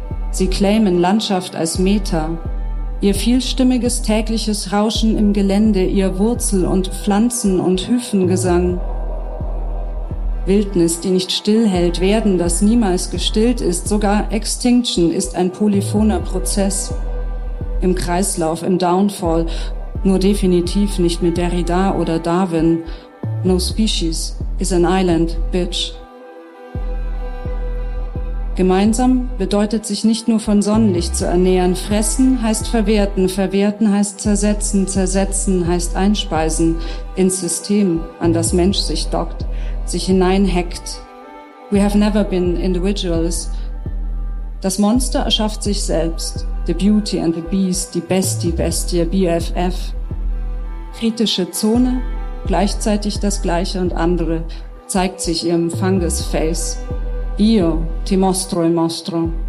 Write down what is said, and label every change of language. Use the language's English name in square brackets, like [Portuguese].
[German] Sie claimen Landschaft als Meta. Ihr vielstimmiges tägliches Rauschen im Gelände, ihr Wurzel- und Pflanzen- und Hyphengesang. Wildnis, die nicht stillhält, Werden, das niemals gestillt ist, sogar Extinction ist ein polyphoner Prozess. Im Kreislauf, im Downfall, nur definitiv nicht mit Derrida oder Darwin. [English] No species is an island, bitch. [German] Gemeinsam bedeutet sich nicht nur von Sonnenlicht zu ernähren. Fressen heißt verwerten, verwerten heißt zersetzen, zersetzen heißt einspeisen ins System, an das Mensch sich dockt, sich hineinhackt. [English] We have never been individuals. [German] Das Monster erschafft sich selbst. [English] The Beauty and the Beast, [German] die Bestie, Bestie, BFF. Kritische Zone, gleichzeitig das Gleiche und andere, zeigt sich ihrem Fungus-Face. [Italian] Io ti mostro il mostro.